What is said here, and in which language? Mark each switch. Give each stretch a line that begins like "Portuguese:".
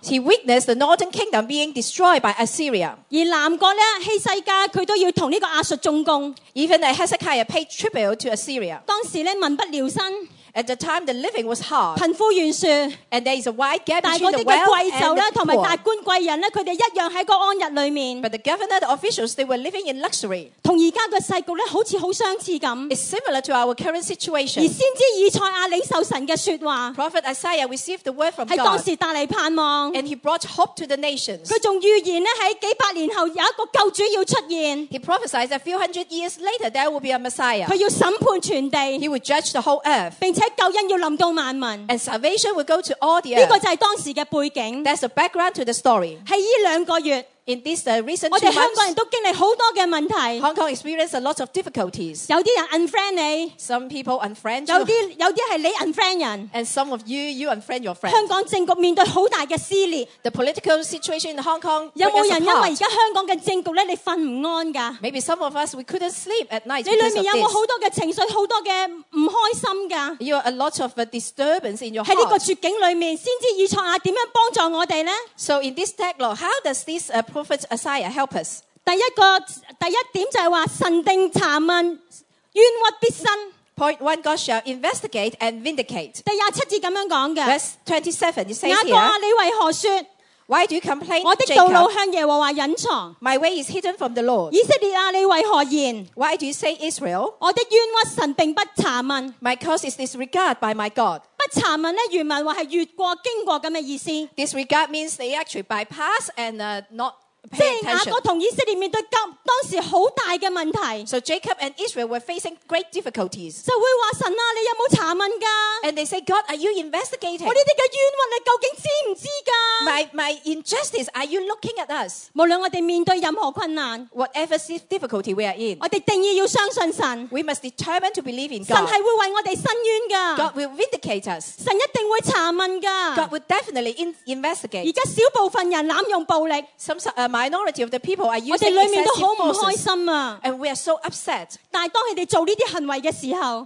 English: ；He witnessed the northern kingdom being destroyed by Assyria。
Cantonese: 而南国咧，希西家佢都要同呢个亚述中共
English: ；Even Hezekiah paid tribute to Assyria。
Cantonese: 当时咧，民不聊生。
English: At the time, the living was hard.
Cantonese: 贫富悬殊
English: and there is a wide gap between the wealth and the poor.
Cantonese: 同埋达官贵人咧，佢哋一样喺个安逸里面。
English: But the governor, the officials, they were living in luxury.
Cantonese: 同而家嘅世局咧，好似好相似咁。
English: It's similar to our current situation.
Cantonese: 而先知以赛亚领受神嘅说话。
English: Prophet Isaiah received the word from God.
Cantonese: 喺当时带嚟盼望。
English: And he brought hope to the nations.
Cantonese: 佢仲预言咧，喺几百年后有一个救主要出现。
English: He prophesied a few hundred years later there will be a Messiah.
Cantonese: 佢要审判全地。
English: He would judge the whole earth.
Cantonese: 且救恩要临到万民
English: ，and salvation will go to all the earth。
Cantonese: 呢个就系当时嘅背景。
English: That's the background to the story。
Cantonese: 喺呢两个月
English: ，in this recent
Cantonese: 我哋香港人都经历好多嘅问题。
English: Hong Kong experienced a lot of difficulties。
Cantonese: 有啲人 unfriend 你
English: ，some people unfriend you。
Cantonese: 有啲系你 unfriend 人
English: ，and some of you unfriend your friend。
Cantonese: 香港政局面对好大嘅撕裂。
English: The political situation in Hong Kong
Cantonese: 有冇人因为而家香港嘅政局咧，你瞓唔安噶
English: ？Maybe some of us we couldn't sleep at night。
Cantonese: 你里面有冇好多嘅情绪，好多嘅？唔开心噶
English: ，You are a lot of disturbance in your heart。
Cantonese: 喺呢个绝境里面，先知以赛亚点样帮助我哋咧
English: ？So in this deadlock, how does this prophet Isaiah help us？
Cantonese: 第一点就系话神定查问，冤屈必伸。
English: Point one, God shall investigate and vindicate。
Cantonese: 第27节咁样讲嘅
English: ，Verse 27 it says here。
Cantonese: 雅各啊，你为何说
English: ？Why do you complain？
Cantonese: 我的道路向耶和华隐藏。
English: My way is hidden from the Lord。
Cantonese: 以色列啊，你为何言
English: ？Why do you say Israel？
Cantonese: 我的冤屈神并不查问。
English: My cause is disregarded by my God。
Cantonese: 不查问咧，原文话系越过、经过咁嘅意思。
English: Disregard means they actually bypass and not。
Cantonese: 即系雅各同以色列面对咁当时好大嘅问题。
English: So Jacob and Israel were facing great difficulties。
Cantonese: 就会话神啊，你有冇查问噶
English: ？And they say, God, are you investigating？
Cantonese: 我呢啲嘅冤屈，你究竟知唔知噶
English: ？My injustice, are you looking at us？
Cantonese: 无论我哋面对任何困难
English: ，whatever difficulty we are in，
Cantonese: 我哋定义要相信神。
English: We must determine to believe in God。
Cantonese: 神系会为我哋伸冤噶。
English: God will vindicate us。
Cantonese: 神一定会查问噶。
English: God will definitely investigate。
Cantonese: 而家少部分人滥用暴力。
English: Minority of the people are using excessive forces, and we are so upset.
Cantonese: 但当佢哋做呢啲行为嘅时候